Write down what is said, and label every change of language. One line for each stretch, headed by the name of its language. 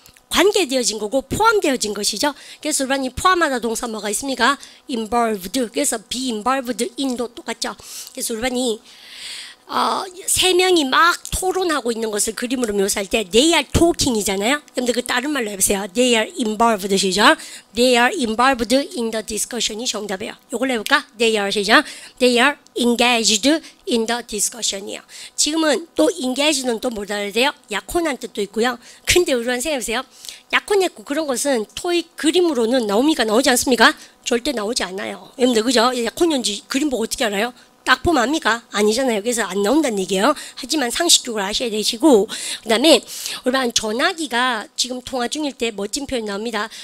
Korean: 관계되어진 거고 포함되어진 것이죠. 그래서 우리 포함하다 동사 뭐가 있습니까? involved. 그래서 be involved in도 똑같죠. 그래서 우리 세 명이 막 토론하고 있는 것을 그림으로 묘사할 때 they are talking이잖아요. 여러분들 그 다른 말로 해보세요.
English: they are involved 시죠. they are involved in the discussion이 정답이에요.
Korean: 이걸 해볼까? they are 시죠.
English: they are engaged in the discussion이에요.
Korean: 지금은 또 engaged는 또 뭘 알아야 돼요? 약혼한 뜻도 있고요. 근데 우리 생각해보세요. 약혼했고 그런 것은 토익 그림으로는 나오미가 나오지 않습니까? 절대 나오지 않아요. 여러분들 그죠? 약혼인지 그림 보고 어떻게 알아요? 딱 보면 압니까? 아니잖아요. 그래서 안 나온다는 얘기예요. 하지만 상식적으로 아셔야 되시고 그 다음에 일반 전화기가 지금 통화 중일 때 멋진 표현 나옵니다.